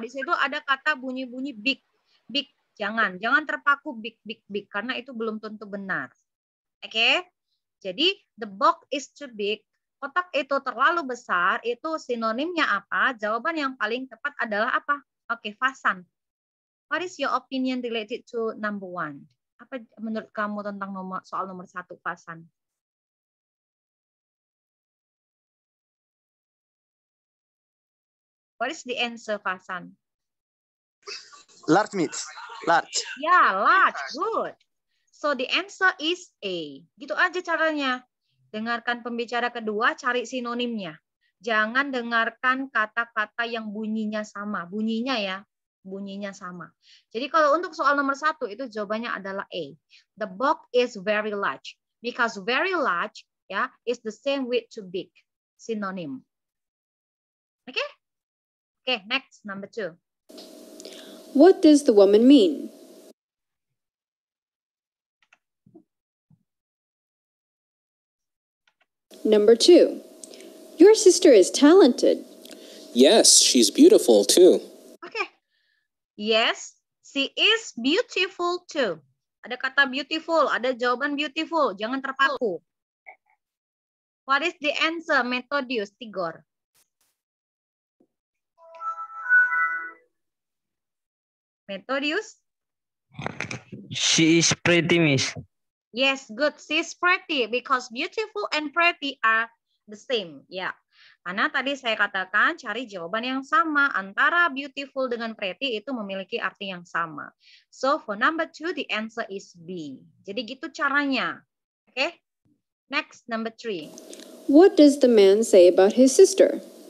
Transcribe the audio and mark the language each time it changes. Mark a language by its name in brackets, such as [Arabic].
[Indonesian] Di situ ada kata bunyi-bunyi big. Big. Jangan. Jangan terpaku big, big, big. Karena itu belum tentu benar. Oke? Okay? [English] Jadi, the box is too big. [Indonesian] Kotak itu terlalu besar. Itu sinonimnya apa? Jawaban yang paling tepat adalah apa? Oke, okay, Fasan. [English] What is your opinion related to number one? [Indonesian] Apa menurut kamu tentang soal nomor satu, Fasan? [English] What is the answer, Fasan? Large meat. Large. Yeah, large. Good. So the answer is A. [Indonesian] Gitu aja caranya. Dengarkan pembicara kedua, cari sinonimnya. Jangan dengarkan kata-kata yang bunyinya sama. Bunyinya ya. Bunyinya sama. Jadi kalau untuk soal nomor satu, itu jawabannya adalah A. [English] The box is very large. Because very large ya is the same with too big. [Indonesian] Sinonim. Oke? Okay? Oke, okay, [English] next, number two. What does the woman mean? Number two. Your sister is talented. Yes, she's beautiful too. Okay. Yes, she is beautiful too. [Indonesian] Ada kata beautiful, ada jawaban beautiful. Jangan terpaku. [English] What is the answer, Methodius Tigor? Methodius? She is pretty, miss. Yes, good. She is pretty because beautiful and pretty are the same. [Indonesian] Yeah. Karena tadi saya katakan cari jawaban yang sama. Antara beautiful dengan pretty itu memiliki arti yang sama. [English] So for number two, the answer is B. [Indonesian] Jadi gitu caranya. Oke? Okay? [English] Next, number three. What does the man say about his sister?